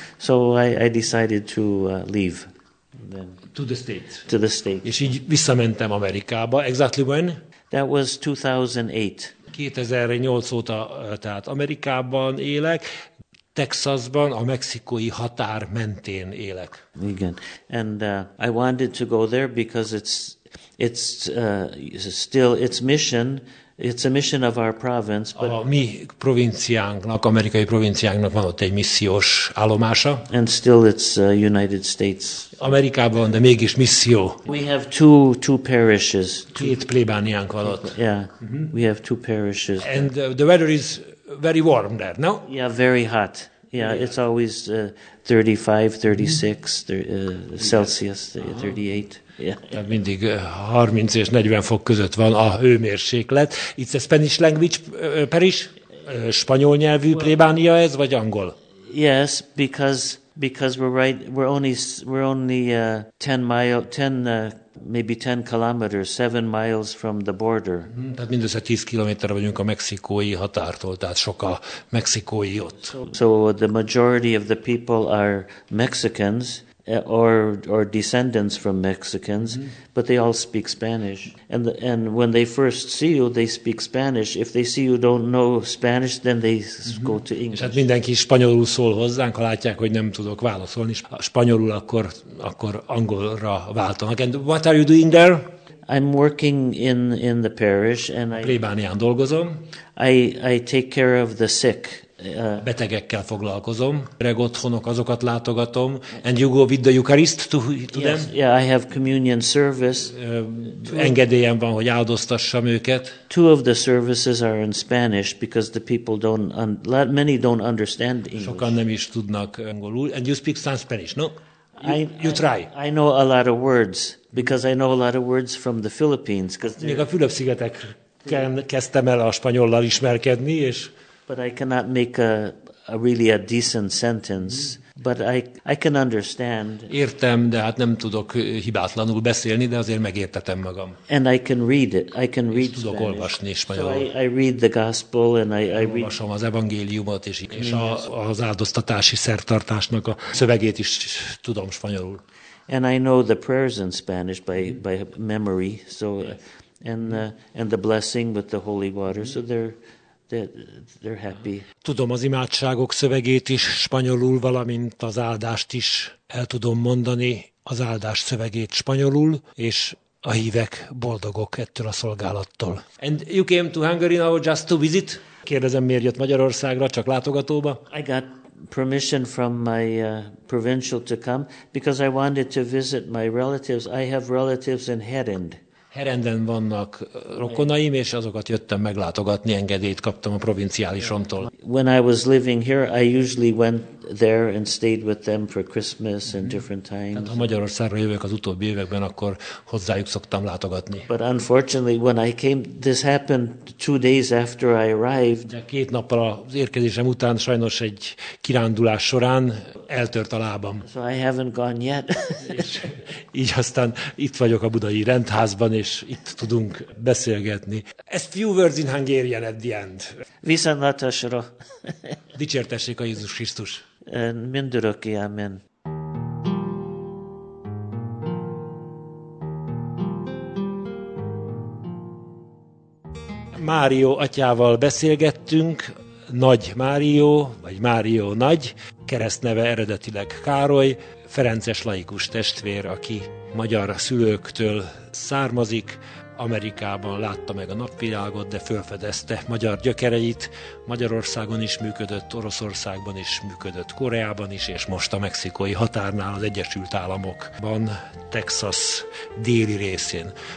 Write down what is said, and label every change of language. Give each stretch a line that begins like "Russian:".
English: So I decided to leave. To the States.
Hungarian: És így visszamentem Amerikába.
English: Exactly when? That was 2008.
Hungarian: 2008 óta, tehát Amerikában élek, Texasban, a mexikói határ mentén élek. Igen.
English: And I wanted to go there because it's a mission of our province.
Hungarian: But a mi provinciánknak, amerikai provinciánknak van ott egy missziós állomása.
English: And still it's United States.
Hungarian: Amerikában, de mégis misszió.
English: We have two parishes.
Hungarian: Két plébániánk van ott.
English: Yeah, mm-hmm. We have two parishes. And the weather is very warm there, no? Yeah, very hot. Yeah, yeah. It's always 35, 36 Celsius, 38.
Hungarian: Tehát mindig 30 és 40 fok között van a hőmérséklet.
English: It's a Spanish language parish?
Hungarian: Spanyol nyelvű plébánia ez, vagy angol?
English: Yes, because we're only 10 kilometers, 7 miles from the border.
Hungarian: Tehát mindössze 10 kilométerre vagyunk a mexikói határtól, tehát sok a mexikói ott.
English: So the majority of the people are Mexicans, or descendants from Mexicans, mm-hmm. But they all speak Spanish. And when they first see you, they speak Spanish. If they see you don't know Spanish, then they mm-hmm. go to English.
Hungarian: És hát mindenki spanyolul szól hozzánk, ha látják, hogy nem tudok válaszolni spanyolul, akkor angolra váltanak.
English: And what are you doing there? I'm working in the parish and I
Hungarian: plébánián dolgozom.
English: I take care of the sick.
Hungarian: A betegekkel foglalkozom, öreg otthonok, azokat látogatom,
English: and you go with the Eucharist to yes, them. Yeah, I have communion service.
Hungarian: Engedélyem van, hogy áldoztassam őket.
English: Two of the services are in Spanish because the people many don't understand English.
Hungarian: Sokan nem is tudnak angolul.
English: And you speak some Spanish, no? You try. I know a lot of words because I know a lot of words from the Philippines.
Hungarian: Még a Fülöp-szigetek kezdtem el a spanyollal ismerkedni, és
English: but I cannot make a really a decent sentence, but I can understand.
Hungarian: Értem, de hát nem tudok hibátlanul beszélni, de azért megértetem magam.
English: And I can read it. I can read
Hungarian: tudok
English: Spanish.
Hungarian: Olvasni spanyolul.
English: So I read the gospel and I read.
Hungarian: Olvasom az evangéliumot és az áldoztatási szertartásnak a szövegét is tudom spanyolul.
English: And I know the prayers in Spanish by memory, so and the blessing with the holy water, so they're happy.
Hungarian: Tudom az imádságok szövegét is spanyolul, valamint az áldást is el tudom mondani, az áldás szövegét spanyolul, és a hívek boldogok ettől a szolgálattól.
English: And you came to Hungary now just to visit?
Hungarian: Kérdezem, miért jött Magyarországra, csak látogatóba?
English: I got permission from my provincial to come because I wanted to visit my relatives. I have relatives in Herend.
Hungarian: Herenden vannak rokonaim, és azokat jöttem meglátogatni, engedélyt kaptam a provinciálisomtól.
English: When I was living here, I usually went there and stayed with them for Christmas and different times.
Hungarian: Tehát, ha Magyarországra jövök az utóbbi években, akkor hozzájuk szoktam látogatni.
English: But unfortunately, when I came, this happened 2 days after I arrived.
Hungarian: De 2 nappal az érkezésem után, sajnos egy kirándulás során eltört a lábam.
English: So I haven't gone yet.
Hungarian: Így aztán itt vagyok a budai rendházban, és itt tudunk beszélgetni.
English: Ezt few words in Hungarian at the end.
Hungarian: Viszontlátásra. Dicsértessék a Jézus Krisztus. Mindöröki, amen. Mário atyával beszélgettünk, Nagy Mário, vagy Mário Nagy, keresztneve eredetileg Károly, ferences laikus testvér, aki magyar szülőktől származik, Amerikában látta meg a napvilágot, de felfedezte magyar gyökereit, Magyarországon is működött, Oroszországban is működött, Koreában is, és most a mexikói határnál az Egyesült Államokban, Texas déli részén.